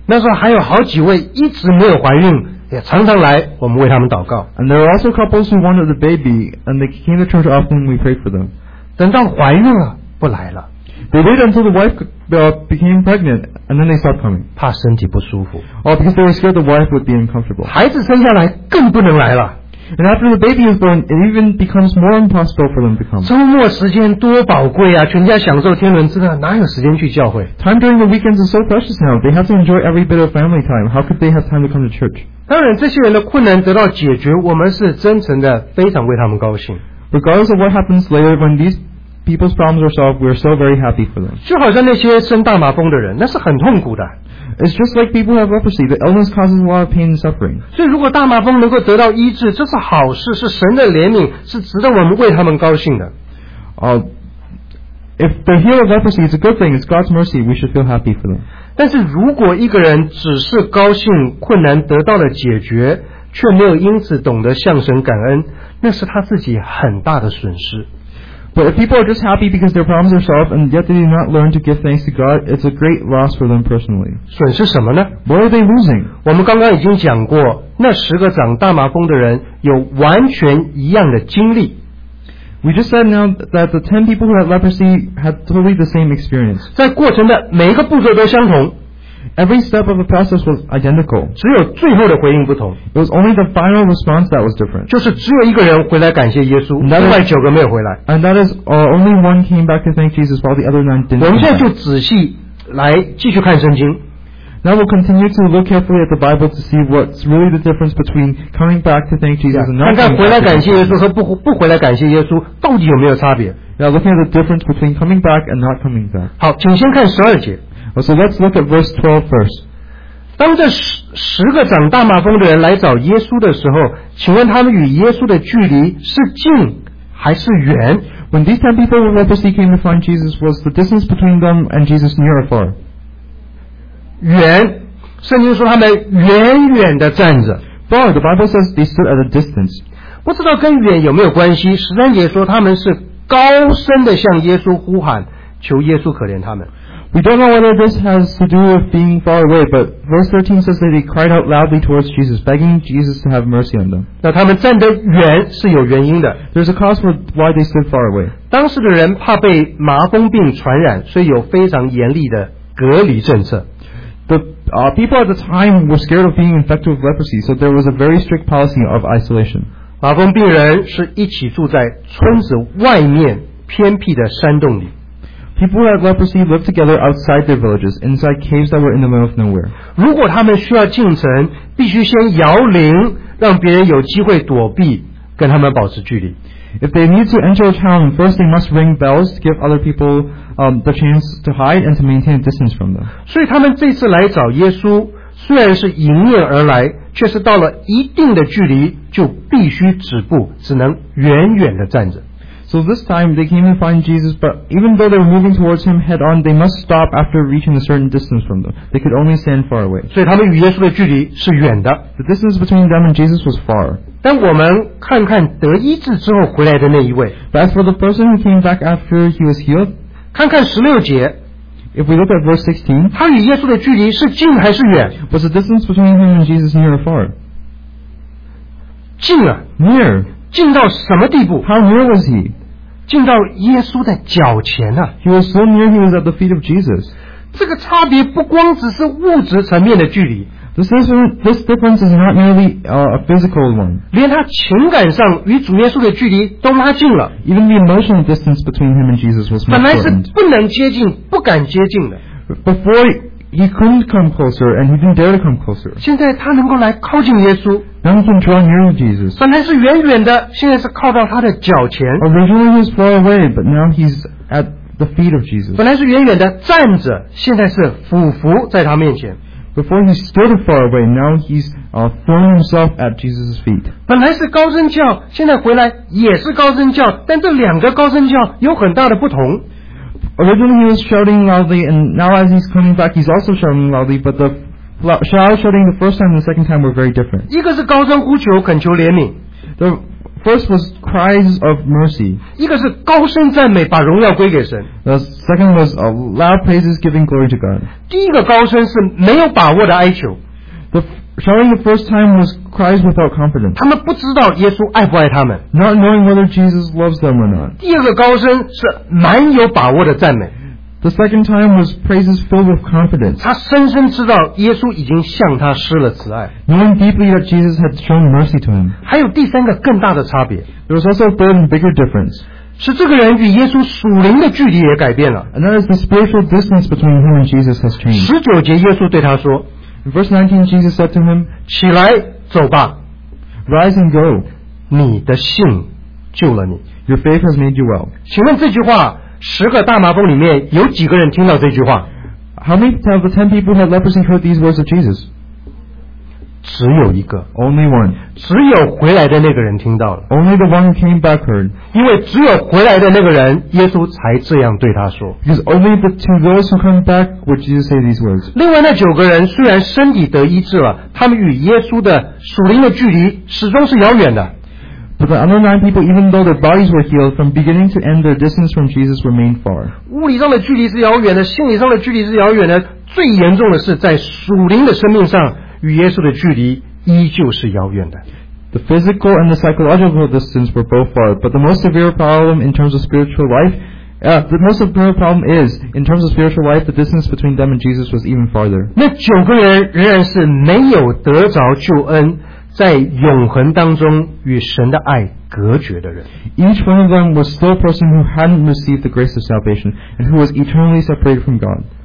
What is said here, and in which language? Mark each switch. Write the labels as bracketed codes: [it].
[zh] 那时候还有好几位一直没有怀孕。也常常来，我们为他们祷告。 [en] And there are also couples who wanted a baby, and they came to church often, and we prayed for them. [zh] 等到怀孕了，不来了。 [en] They waited until the wife became pregnant, and then they stopped coming. [zh] 怕身体不舒服。 [en] Oh, because they were scared the wife would be uncomfortable. [zh] 孩子生下来更不能来了。 [en] And after the baby is born, it even becomes more impossible for them to come. [zh] 周末时间多宝贵啊，全家享受天伦之乐，哪有时间去教会 [en] ？Time during the weekends is so precious now. They have to enjoy every bit of family time. How could they have time to come to church? [zh] 当然，这些人的困难得到解决，我们是真诚的，非常为他们高兴。 [en] Regardless of what happens later when these people's problems are solved, we're still very happy for them. [zh] 就好像那些生大麻风的人，那是很痛苦的。 [en] It's just like people who have leprosy. The illness causes a lot of pain and suffering. [zh] 所以如果大麻风能够得到医治，这是好事，是神的怜悯，是值得我们为他们高兴的。 [en] If the healing of leprosy is a good thing, it's God's mercy, we should feel happy for them. [zh] 但是如果一个人只是高兴困难得到了解决，却没有因此懂得向神感恩，那是他自己很大的损失。 [en] But if people are just happy because their problems are solved and yet they do not learn to give thanks to God, it's a great loss for them personally. [zh] 损失什么呢? [en] What are they losing? [zh] 我们刚刚已经讲过,那十个长大麻风的人有完全一样的经历。 [en] We just said now that the 10 people who had leprosy had totally the same experience. [zh] 在过程的每一个步骤都相同。 [en] Every step of the process was identical. [zh] 只有最后的回应不同。 [en] It was only the final response that was different. [zh] 就是只有一个人回来感谢耶稣，另外九个没有回来。 [en] And that is only one came back to thank Jesus while the other nine didn't. [zh] 我们现在就仔细来继续看圣经。 [en] Now we'll continue to look carefully at the Bible to see what's really the difference between coming back to thank Jesus and not coming back. [zh] 看看回来感谢耶稣和不回来感谢耶稣到底有没有差别。 [en] Now looking at the difference between coming back and not coming back. [zh] 好，请先看十二节。 [en] So let's look at verse 12 first. [zh] 当这十个长大麻风的人来找耶稣的时候，请问他们与耶稣的距离是近还是远？ [en] When these 10 people with leprosy came to find Jesus, was the distance between them and Jesus near or far? [zh] 远，圣经说他们远远的站着。 [en] Far, the Bible says they stood at a distance. [zh] 不知道跟远有没有关系，十三节说他们是高声的向耶稣呼喊，求耶稣可怜他们。 [en] We don't know whether this has to do with being far away, but verse 13 says that they cried out loudly towards Jesus, begging Jesus to have mercy on them. [zh] 那他们站得远是有原因的。 [en] There's a cause for why they stood far away. [zh] 当时的人怕被麻风病传染，所以有非常严厉的隔离政策。 [en] People at the time were scared of being infected with leprosy, so there was a very strict policy of isolation. [zh] 麻风病人是一起住在村子外面偏僻的山洞里。 [en] People who had leprosy lived together outside their villages, inside caves that were in the middle of nowhere. [zh] 如果他们需要进城，必须先摇铃，让别人有机会躲避，跟他们保持距离。 [en] If they need to enter a town, first they must ring bells to give other people the chance to hide and to maintain a distance from them. [zh] 所以他们这次来找耶稣，虽然是迎面而来，却是到了一定的距离，就必须止步，只能远远地站着。 [en] So this time they came and find Jesus, but even though they were moving towards him head on, they must stop after reaching a certain distance from them. They could only stand far away. [zh] 所以他们与耶稣的距离是远的。 [en] The distance between them and Jesus was far. [zh] 但我们看看得医治之后回来的那一位。 [en] But as for the person who came back after he was healed, [zh] 看看十六节。 [en] If we look at verse 16, [zh] 他与耶稣的距离是近还是远？ [en] Was the distance between him and Jesus near or far? [zh] 近啊。 [en] Near. [zh] 近到什么地步？ [en] How near was he? [zh] 进到耶稣的脚前啊。 [en] He was so near, he was at the feet of Jesus. [zh] 这个差别不光只是物质层面的距离。 [en] This difference is not merely a physical one. [zh] 连他情感上与主耶稣的距离都拉近了。 [en] Even the emotional distance between him and Jesus was shortened. [zh] 本来是不能接近，不敢接近的。 [en] Before he couldn't come closer and he didn't dare to come closer. [zh] 现在他能够来靠近耶稣。 [en] Now he can draw near to Jesus. [zh] 本来是远远的，现在是靠到他的脚前。 [en] Originally he was far away, but now he's at the feet of Jesus. [zh] 本来是远远的站着，现在是俯伏在他面前。 [en] Before he stood far away, now he's throwing himself at Jesus' feet. [zh] 本来是高声叫，现在回来也是高声叫，但这两个高声叫有很大的不同。 [en] Originally he was shouting loudly, and now as he's coming back, he's also shouting loudly, but the shouting the first time and the second time were very different. [zh] 一个是高声呼求，恳求怜悯。 [en] The first was cries of mercy. [zh] 一个是高声赞美，把荣耀归给神。 [en] The second was loud praises giving glory to God. [zh] 第一个高声是没有把握的哀求。 [en] The shouting the first time was cries without confidence. [zh] 他们不知道耶稣爱不爱他们。 [en] Not knowing whether Jesus loves them or not. [zh] 第二个高声是蛮有把握的赞美。 [en] The second time was praises filled with confidence. [zh] 他深深知道耶稣已经向他施了慈爱。 [en] Knowing deeply that Jesus had shown mercy to him. [zh] 还有第三个更大的差别。 [en] There was also a third and bigger difference. [zh] 是这个人与耶稣属灵的距离也改变了。 [en] And that is the spiritual distance between him and Jesus has changed. [zh] 十九节耶稣对他说。 [en] In verse 19, Jesus said to him, [zh] 起来走吧。 [en] Rise and go. [zh] 你的信救了你。 [en] Your faith has made you well. [zh] 请问这句话十个大麻风里面有几个人听到这句话？ [en] How many of the 10 people had leprosy heard these words of Jesus? [zh] 只有一个。 [en] Only one. [zh] 只有回来的那个人听到了。 [en] Only the one who came back heard. [zh] 因为只有回来的那个人，耶稣才这样对他说。 [en] Because only the two girls who come back would Jesus say these words. [zh] 另外那九个人虽然身体得医治了，他们与耶稣的属灵的距离始终是遥远的。 [en] But the other nine people, even though their bodies were healed, from beginning to end, their distance from Jesus remained far. [zh] 物理上的距离是遥远的, 心理上的距离是遥远的, 最严重的是在属灵的生命上, 与耶稣的距离依旧是遥远的。 [en] The physical and the psychological distance were both far, but the most severe problem in terms of spiritual life, the most severe problem is, in terms of spiritual life, the distance between them and Jesus was even farther. [zh] 那九个人仍然是没有得着救恩, 在永恒当中与神的爱隔绝的人。 [en] Each one of them was still a person who hadn't received the grace of salvation and who was eternally separated from God.